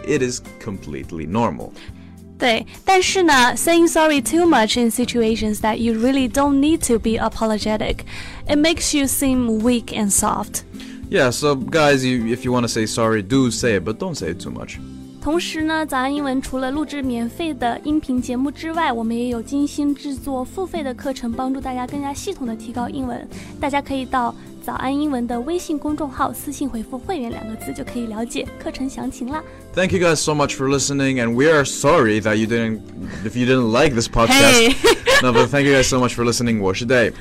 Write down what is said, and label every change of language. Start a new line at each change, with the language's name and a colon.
English: It is completely normal.
Chinese: 对，但是呢
English: saying sorry too much in situations that you really don't need to be apologetic, it makes you seem weak and soft. Yeah, so guys, if you want to say sorry, do say it, but don't say it too much.
Chinese: 同时呢，早安英文除了录制免费的音频节目之外，我们也有精心制作付费的课程，帮助大家更加系统的提高英文。大家可以到早安英文的微信公众号私信回复会员两个字就可以了解课程详情了
English: Thank you guys so much for listening and we are sorry that you didn't if you didn't like this podcast <Hey. 笑 > No, but thank you guys so much for listening
Chinese: 我是
English: Dave